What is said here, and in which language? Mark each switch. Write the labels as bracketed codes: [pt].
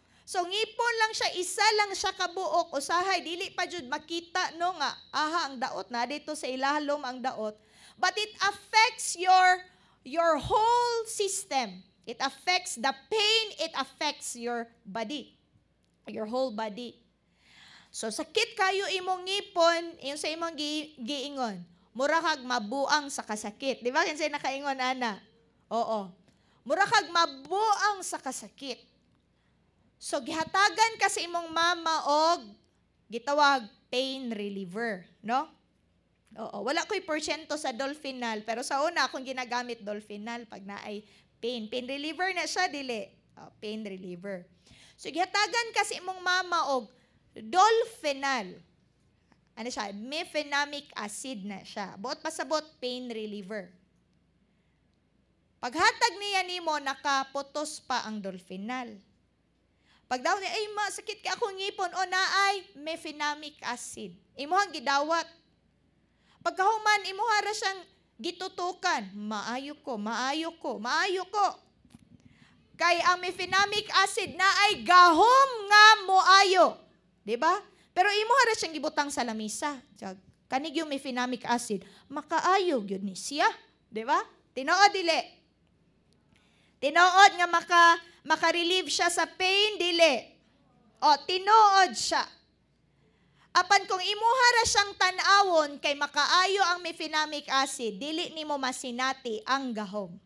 [ceb] So, ngipon lang siya, isa lang siya kabuok, usahay, dili pa jud makita, no nga, aha, ang daot, na dito sa ilalom ang daot. [en] But it affects your whole system. It affects the pain, it affects your body. Your whole body. [ceb] So, sakit kayo imong ngipon, yung sa imong giingon, murakag mabuang sa kasakit. Di ba yung sa'yo nakaingon, Ana? Oo. Murakag mabuang sa kasakit. So, gihatagan ka sa imong mama o gitawag pain reliever, no? Oo, wala ko'y porsyento sa Dolphinol, pero sa una akong ginagamit Dolphinol pag na ay pain. Pain reliever na siya, dili. Oh, pain reliever. So, gihatagan kasi imong mama og Dolphinol. Ano siya? Mefenamic acid na siya. Buot pa sa buot, pain reliever. Paghatag niya ni mo, nakaputos pa ang Dolphinol. Pag daw niya, ay ma, sakit ka akong ngipon, o na ay mefenamic acid. Imuhang gidawat. Pagkahuman, imuhara siyang gitutukan. Maayo ko, maayo ko, maayo ko. Kay ang mefenamic acid na ay gahom nga moayo. Diba? Pero imuhara siyang gibutang sa lamisa. Kanig yung mefenamic acid, makaayo yun ni siya. Diba? Tinood dili. Tinood nga makarelieve siya sa pain, dili. O, tinood siya. Apan kung imuhara siyang tanawon kay makaayo ang mefenamic acid, dili ni mo masinati ang gahom.